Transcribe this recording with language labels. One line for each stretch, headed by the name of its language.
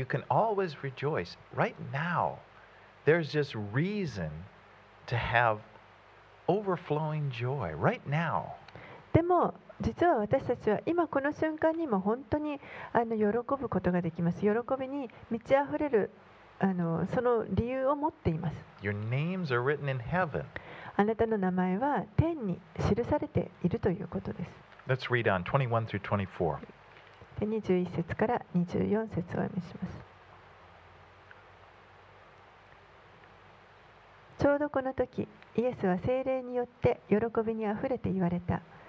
English: But you can always rejoice. Right now, there's just reason to have overflowing joy. Right now.
Japanese: でも実は私たちは今この瞬間にも本当に喜ぶことができます。喜びに満ち溢れるその理由を持っています。
English: Your names are written in heaven.
Japanese: あなたの名前は天に記されているということです。
English: Let's read on 21 through 24.
Japanese: 21節から24節を読みします。ちょうどこの時、イエスは聖霊によって喜びに溢れて言われた。